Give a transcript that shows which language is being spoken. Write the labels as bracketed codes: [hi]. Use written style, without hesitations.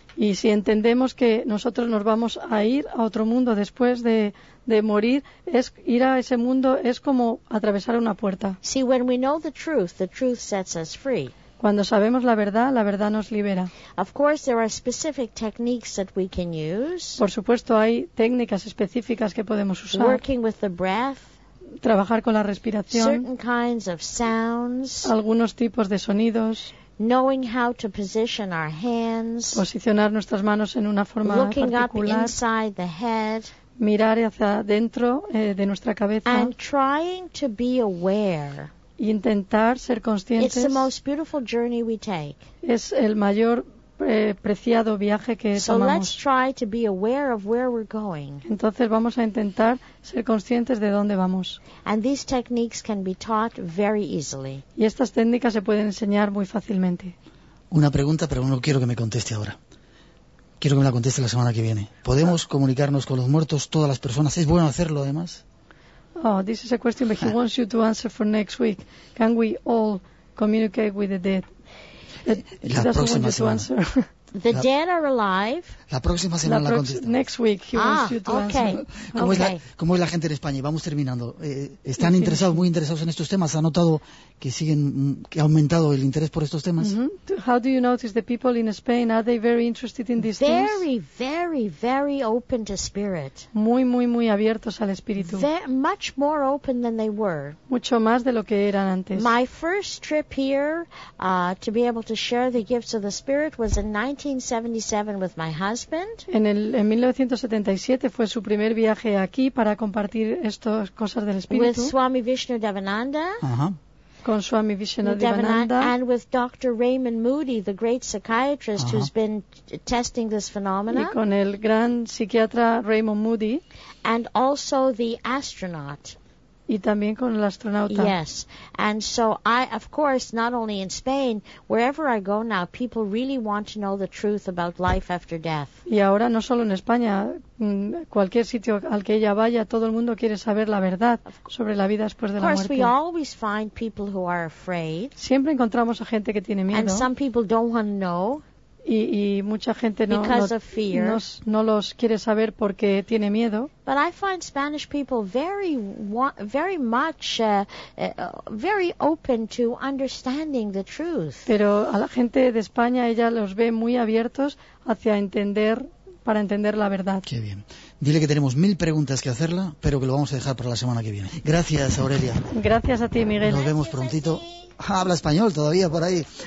[es] Y si entendemos que nosotros nos vamos a ir a otro mundo después de morir, es ir a ese mundo es como atravesar una puerta. [en] See, when we know the truth sets us free. [es] Cuando sabemos la verdad nos libera. [en] Of course, there are specific techniques that we can use. [es] Por supuesto, hay técnicas específicas que podemos usar. [en] Working with the breath. [es] Trabajar con la respiración. [en] Certain kinds of sounds. [es] Algunos tipos de sonidos. [en] Knowing how to position our hands. [es] Posicionar nuestras manos en una forma [en] looking [es] particular. [en] Looking up inside the head. [es] Mirar hacia dentro de nuestra cabeza. [en] And trying to be aware. [es] Y intentar ser conscientes. [en] It's the most beautiful journey we take. [es] Es el mayor preciado viaje que [en] so [es] tomamos. [en] Let's try to be aware of where we're going. [es] Entonces vamos a intentar ser conscientes de dónde vamos. [en] And these techniques can be taught very easily. [es] Y estas técnicas se pueden enseñar muy fácilmente. Una pregunta, pero no quiero que me conteste ahora. Quiero que me la conteste la semana que viene. ¿Podemos comunicarnos con los muertos, todas las personas? ¿Es bueno hacerlo además? [en] Oh, this is a question that he wants you to answer for next week. Can we all communicate with the dead? [es] La [en] he doesn't [es] próxima [en] want you to answer. The dead are alive. [es] La próxima semana la contestamos. [en] Next week he wants you to okay. answer. [es] ¿Cómo, [en] okay. [es] ¿Cómo es la gente en España? Vamos terminando. ¿Están interesados, muy interesados en estos temas? ¿Ha notado que ha aumentado el interés por estos temas? Mm-hmm. [en] How do you notice the people in Spain? Are they very interested in these very, things? Very, very, very open to spirit. [es] Muy, muy, muy abiertos al espíritu. [en] Much more open than they were. [es] Mucho más de lo que eran antes. [en] My first trip here to be able to share the gifts of the spirit was in 1977 with my husband. [es] En 1977 fue su primer viaje aquí para compartir estas cosas del espíritu. [en] With Swami Vishnu Devananda. Uh-huh. [es] con Swami Vishnadevananda, [en] and with Dr. Raymond Moody, the great psychiatrist who's been testing this phenomena, [es] y con el gran psiquiatra Raymond Moody, [en] and also the astronaut. [es] Y también con el astronauta. [en] Yes, and so I, of course, not only in Spain, wherever I go now, people really want to know the truth about life after death. [es] Y ahora no solo en España, cualquier sitio al que ella vaya, todo el mundo quiere saber la verdad sobre la vida después de la muerte. [en] Of course, we always find people who are afraid. [es] Siempre encontramos a gente que tiene miedo. [en] And some people don't want to know. [es] Y mucha gente no los quiere saber porque tiene miedo. [en] But I find Spanish people very, very much, very open to understanding the truth. [es] Pero a la gente de España ella los ve muy abiertos hacia entender, para entender la verdad. Qué bien. Dile que tenemos 1,000 preguntas que hacerla, pero que lo vamos a dejar para la semana que viene. Gracias, Aurelia. Gracias a ti, Miguel. Nos vemos prontito. Habla español todavía por ahí.